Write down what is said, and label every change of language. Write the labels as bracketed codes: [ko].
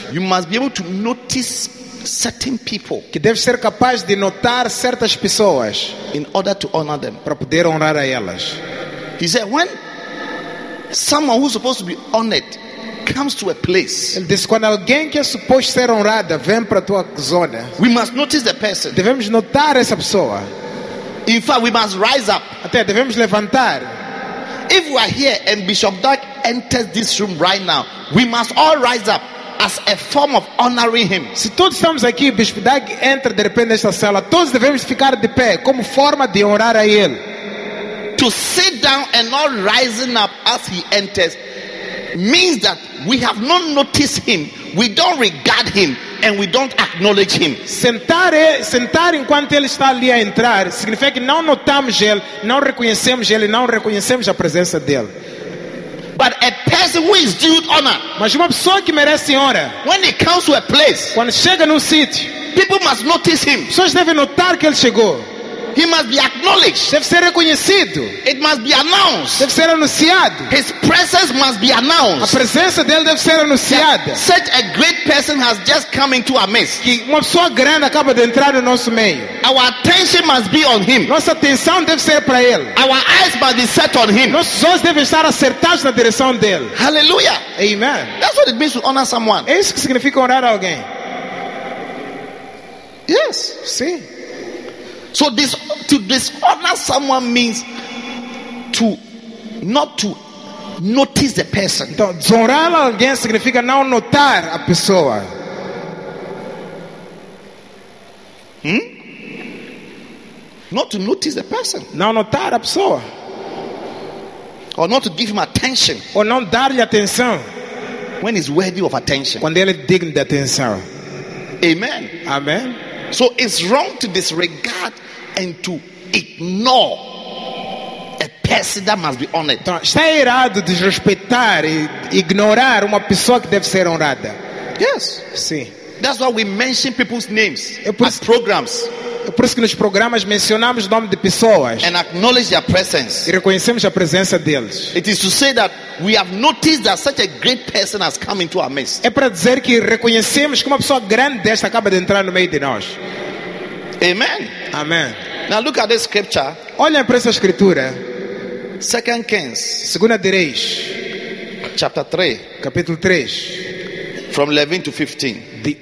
[en] You must be able to notice certain people. [pt] Que deve ser capaz de notar certas pessoas. [en] In order to honor them. [pt] Para poder honrar a elas. [en] He said, when someone who's supposed to be honored comes to a place. [pt] Ele disse, quando alguém que é suposto ser honrada vem para tua zona. [en] We must notice the person. [pt] Devemos notar essa pessoa. [en] In fact, we must rise up. [pt] Até devemos levantar. [en] If we are here and Bishop Dark enters this room right now, we must all rise up as a form of honoring him. [pt] Se todos estamos aqui, Bishop Dark entra de repente nesta sala, todos devemos ficar de pé como forma de honrar a ele. [en] To sit down and not rising up as he enters means that we have not noticed him, we don't regard him, and we don't acknowledge him. [pt] Sentar enquanto ele está ali a entrar significa que não notamos ele, não reconhecemos ele, não reconhecemos a presença dele. [en] But a person who is due honor, [pt] mas uma pessoa que merece honra, [en] when he comes to a place, [pt] quando chega no sítio, [en] people must notice him. [pt] Pessoas devem notar que ele chegou. [en] He must be acknowledged. [pt] Deve ser reconhecido. [en] It must be announced. [pt] Deve ser anunciado. [en] His presence must be announced. [pt] A presença dele deve ser anunciada. [en] That such a great person has just come into our midst. [pt] Que uma pessoa grande acaba de entrar no nosso meio. [en] Our attention must be on him. [pt] Nossa atenção deve ser para ele. [en] Our eyes must be set on him. [pt] Nossos olhos devem estar acertados na direção dele. [en] Hallelujah. [pt] Amen. [en] That's what it means to honor someone. [pt] É isso que significa honrar alguém. [en] Yes. [pt] Sim. [en] So this, to dishonor someone means to not to notice the person. [pt] Então, desonrar alguém significa não notar a pessoa. [en] Not to notice the person. [pt] Não notar a pessoa. [en] Or not to give him attention. [pt] Ou não dar-lhe atenção. [en] When he's worthy of attention. [pt] Quando ele é digno de atenção. [en] Amen. [pt] Amen. [en] So it's wrong to disregard and to ignore a person that must be honored. [pt] Então, está errado desrespeitar e ignorar uma pessoa que deve ser honrada. [en] Yes. [pt] Sim. [en] That's why we mention people's names as programs. [pt] É por isso que nos programas mencionamos o nome de pessoas [en] and acknowledge their presence. [pt] E reconhecemos a presença deles. [en] It is to say that we have noticed that such a great person has come into our midst. [pt] É para dizer que reconhecemos que uma pessoa grande desta acaba de entrar no meio de nós. [en] Amen. [pt] Amen. [en] Now look at this scripture. [pt] Olhem para essa escritura. [en] 2 Kings. [pt] Segunda de Reis. [en] Chapter 3. [pt] Capítulo 3. [en] From 11 to 15.